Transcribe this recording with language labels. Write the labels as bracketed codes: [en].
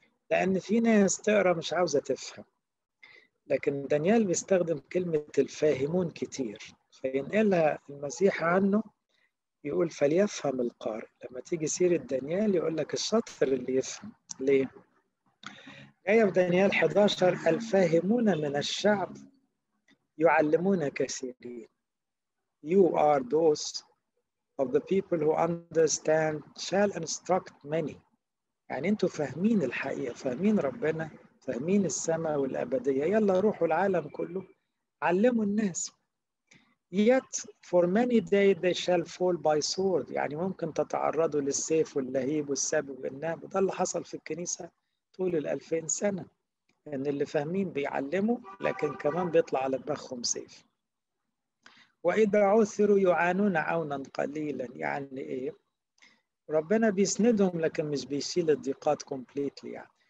[ar] لأن في ناس تقرأ مش عاوزة تفهم، لكن دانيال بيستخدم كلمة الفاهمون كتير، فينقلها المسيح عنه يقول فليفهم القارئ. لما تيجي سيرة دانيال يقول لك الشطر اللي يفهم. ليه؟ آية في دانيال 11 الفاهمون من الشعب يعلمون كثيرين. [en] You are those of the people who understand shall instruct many. [ar] يعني انتوا فاهمين الحقيقة، فاهمين ربنا، فاهمين السماء والأبدية، يلا روحوا العالم كله علموا الناس. [en] Yet for many days they shall fall by sword. [ar] يعني ممكن تتعرضوا للسيف واللهيب والسب والنهب. ده اللي حصل في الكنيسة طول 2000 سنة، إن اللي فاهمين بيعلموا لكن كمان بيطلع على دماغهم سيف. وإذا عثروا يعانون عونا قليلا. يعني إيه؟ ربنا بيسندهم لكن مش بيشيل الضيقات كومبليتلي يعني.